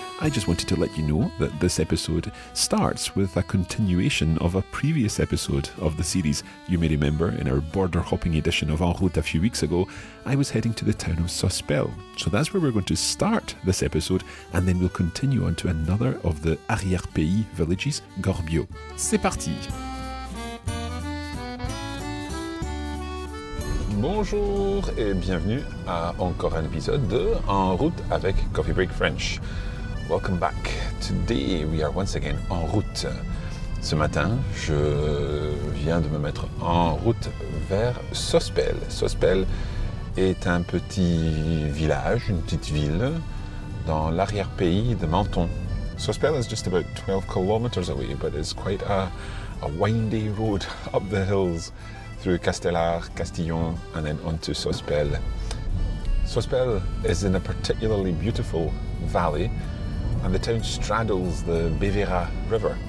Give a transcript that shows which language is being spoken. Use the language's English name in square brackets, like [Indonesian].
[English] I just wanted to let you know that this episode starts with a continuation of a previous episode of the series. You may remember in our border-hopping edition of En Route a few weeks ago, I was heading to the town of Sospel. So that's where we're going to start this episode, and then we'll continue on to another of the arrière-pays villages, Gorbio. [French] C'est parti! Bonjour et bienvenue à encore un épisode de En route avec Coffee Break French. [English] Welcome back. Today we are once again en route. [French] Ce matin, je viens de me mettre en route vers Sospel. Sospel est un petit village, une petite ville dans l'arrière-pays de Menton. [English] Sospel is just about 12 kilometers away, but it's quite a windy road up the hills. Through Castellar, Castillon, and then on to Sospel. Sospel is in a particularly beautiful valley, and the town straddles the Bévéra River.